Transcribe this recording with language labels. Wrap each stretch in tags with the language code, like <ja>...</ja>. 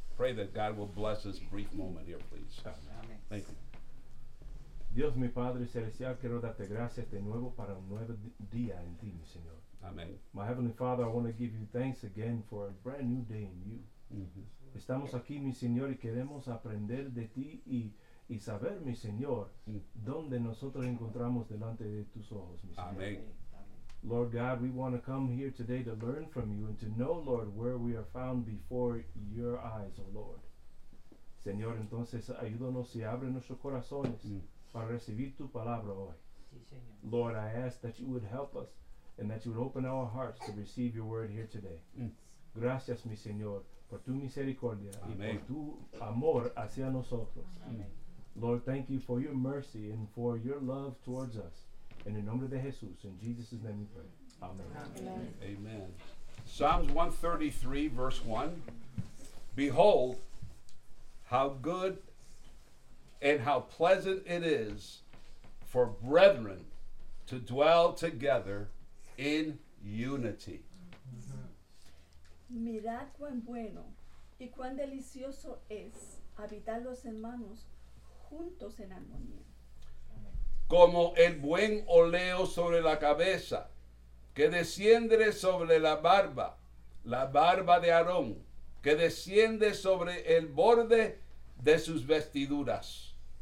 <en>Pray that God will bless this brief moment here, please. Amen. Thank you.</en> <es>Dios, mi Padre Celestial, quiero darte gracias de nuevo para un nuevo día en ti, mi Señor. Amen.</es> <en>My Heavenly Father, I want to give you thanks again for a brand new day in you. Mm-hmm.</en> <es>Estamos aquí, mi Señor, y queremos aprender de ti y saber, mi Señor, dónde nosotros encontramos delante de tus ojos, mi Señor. Amen.</es> <en>Lord God, we want to come here today to learn from you and to know, Lord, where we are found before your eyes, oh Lord.</en> <es>Señor, entonces, ayúdanos y abre nuestros corazones. Mm. Para recibir tu palabra hoy. Sí, Señor.</es> <en>Lord, I ask that you would help us and that you would open our hearts to receive your word here today. Mm.</en> <es>Gracias, mi Señor, por tu misericordia. Amen. Y por tu amor hacia nosotros. Amen.</es> <en>Lord, thank you for your mercy and for your love towards us. In the name of Jesus, in Jesus' name we pray. Amen. Amen. Amen. Amen. Psalms 133, verse 1. Behold, how good and how pleasant it is for brethren to dwell together in unity. Mm-hmm.</en> <es>Mirad cuán bueno y cuán delicioso es habitar los hermanos juntos en armonía. Como el buen óleo sobre la cabeza que desciende sobre la barba de Aarón que desciende sobre el borde de sus vestiduras.</es>